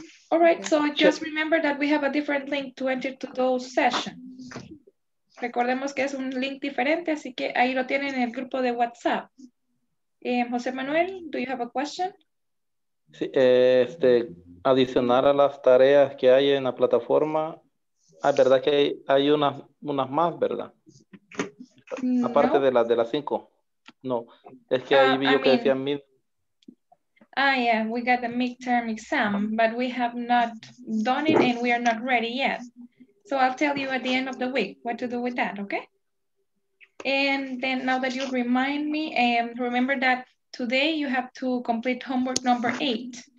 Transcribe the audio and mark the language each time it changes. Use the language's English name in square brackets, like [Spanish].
[English] All right, so just remember that we have a different link to enter to those sessions. [Spanish] Recordemos que es un link diferente, así que ahí lo tienen en el grupo de WhatsApp. [English] José Manuel, do you have a question? [Spanish] Sí, adicionar a las tareas que hay en la plataforma, es verdad que hay unas más, ¿verdad? No. Aparte de las cinco. No, es que ahí vi yo que decía mil. [English] Ah, yeah, we got the midterm exam, but we have not done it and we are not ready yet. So I'll tell you at the end of the week what to do with that, okay? And then now that you remind me, remember that today you have to complete homework number 8.